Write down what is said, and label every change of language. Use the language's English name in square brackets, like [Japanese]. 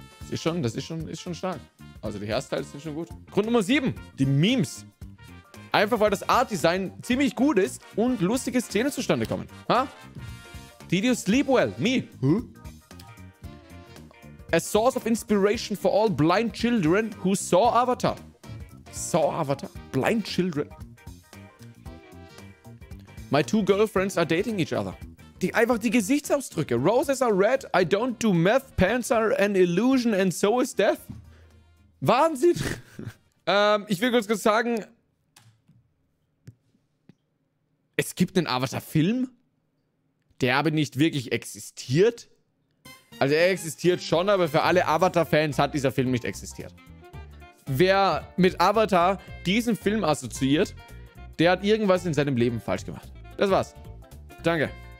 [German] Das ist schon stark. Also die Hairstyles sind schon gut. Grund Nummer 7, die Memes. Einfach weil das Art-Design ziemlich gut ist und lustige Szenen zustande kommen. [English] Ha? Did you sleep well? Me? Huh? A source of inspiration for all blind children who saw Avatar. Saw Avatar? Blind children? My two girlfriends are dating each other. [German] Einfach die Gesichtsausdrücke. [English] Roses are red, I don't do meth, pants are an illusion and so is death. [German] Wahnsinn! ich will kurz sagen, es gibt einen Avatar-Film, der aber nicht wirklich existiert. Also er existiert schon, aber für alle Avatar-Fans hat dieser Film nicht existiert. Wer mit Avatar diesen Film assoziiert, der hat irgendwas in seinem Leben falsch gemacht. Das war's. Danke.